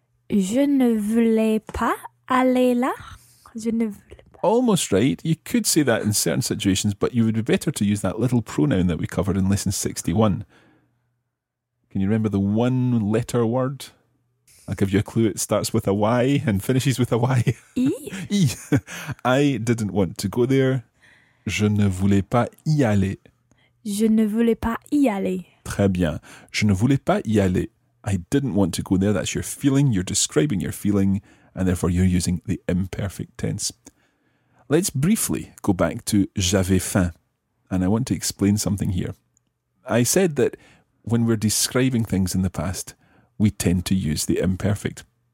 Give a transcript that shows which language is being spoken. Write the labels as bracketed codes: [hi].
[fr] Je ne voulais pas aller là. Je ne voulais pas. [en] Almost right. You could say that in certain situations, but you would be better to use that little pronoun that we covered in lesson 61. Can you remember the one letter word? I'll give you a clue. It starts with a Y and finishes with a Y. [fr] E. E. [en] I didn't want to go there. [fr] Je ne voulais pas y aller. Je ne voulais pas y aller. Très bien. Je ne voulais pas y aller. [en] I didn't want to go there. That's your feeling. You're describing your feeling. And therefore, you're using the imperfect tense. Let's briefly go back to [fr] j'avais faim. [en] And I want to explain something here. I said that when we're describing things in the past, we tend to use the imperfect.